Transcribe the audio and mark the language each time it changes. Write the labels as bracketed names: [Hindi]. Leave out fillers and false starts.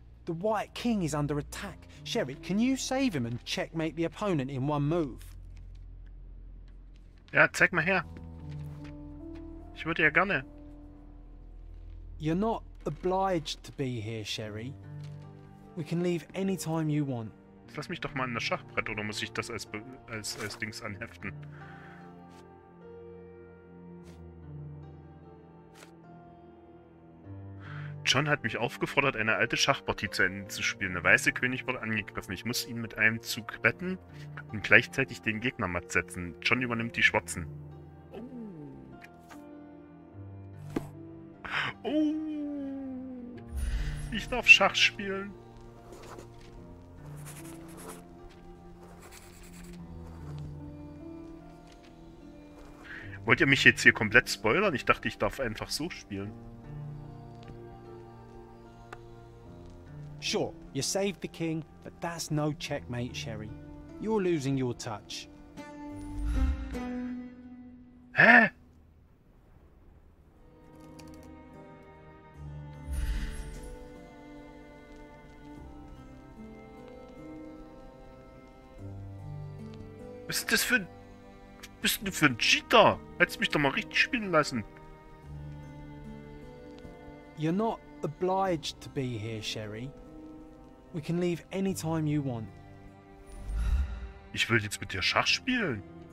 [English] The White King is under attack. Sherry, can you save him and checkmate the opponent in one move? [German] Ja, zeig mal her. Ich würde ja gerne. [English] You're not obliged to be here, Sherry. We can leave anytime you want. [German] Lass mich doch mal in das Schachbrett, oder muss ich das als Dings anheften? John hat mich aufgefordert, eine alte Schachpartie zu Ende zu spielen. Der weiße König wurde angegriffen. Ich muss ihn mit einem Zug retten und gleichzeitig den Gegner matt setzen. John übernimmt die Schwarzen. Oh! Ich darf Schach spielen. Wollt ihr mich jetzt hier komplett spoilern? Ich dachte, ich darf einfach so spielen. [English] Sure, you saved the king, but that's no checkmate, Sherry. You're losing your touch. Hä? [German] Was ist das für ein... Was bist du für ein Cheater? Hättest mich doch mal richtig spielen lassen. [English] You're not obliged to be here, Sherry. We can leave anytime you want. [German] Ich will jetzt mit dir Schach spielen.